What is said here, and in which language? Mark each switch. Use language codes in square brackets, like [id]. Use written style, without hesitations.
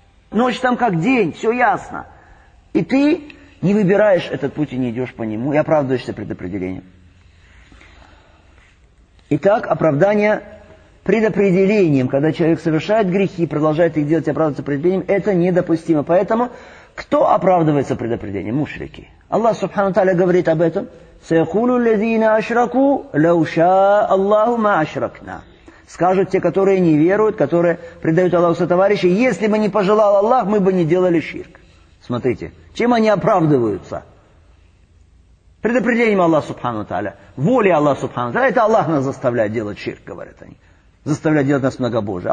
[ru] Ночь там как день, все ясно. И ты не выбираешь этот путь и не идешь по нему. И оправдываешься предопределением. Итак, оправдание предопределением. Когда человек совершает грехи и продолжает их делать, оправдываться предопределением, это недопустимо. Поэтому кто оправдывается предопределением? Мушрики. Аллах субхану тааля говорит об этом. [ar] سيقول الذين أشركوا لو شاء الله ما أشركنا. [ru] Скажут те, которые не веруют, которые предают Аллаху сотоварищи, если бы не пожелал Аллах, мы бы не делали ширк. Смотрите, чем они оправдываются? Предопределением Аллаха Субхану Тааля, волей Аллаха Субхану Тааля. Это Аллах нас заставляет делать ширк, говорят они. Заставляет делать нас многобожие.